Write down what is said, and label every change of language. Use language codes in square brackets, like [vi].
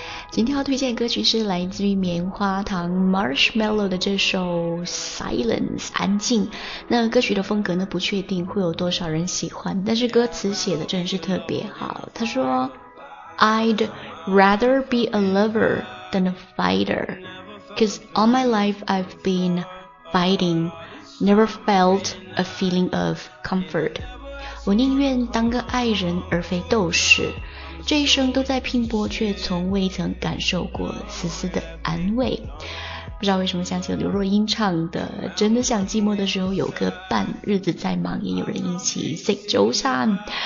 [zh] 今天要推荐的歌曲是来自于棉花糖 Marshmallow 的这首 Silence 安静。那歌曲的风格呢，不确定会有多少人喜欢，但是歌词写的真是特别好。他说 [en] I'd rather be a lover than a fighter, 'cause all my life I've been fighting, never felt a feeling of comfort. [zh] 我宁愿当个爱人而非斗士，这一生都在拼搏，却从未曾感受过丝丝的安慰。不知道为什么想起了刘若英唱的真的想寂寞的时候有个伴，日子再忙也有人一起 say 周三。